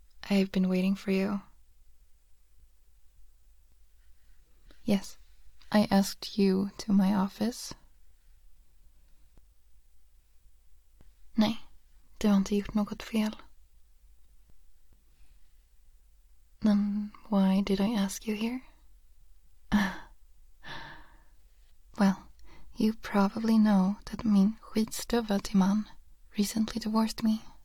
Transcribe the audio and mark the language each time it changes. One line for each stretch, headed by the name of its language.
English: I have been waiting for you. Yes, I asked you to my office.
Swedish: Nej, du har inte gjort något fel.
English: Then why did I ask you here? Well, you probably know that
Swedish: min skitstövel till man
English: recently divorced me.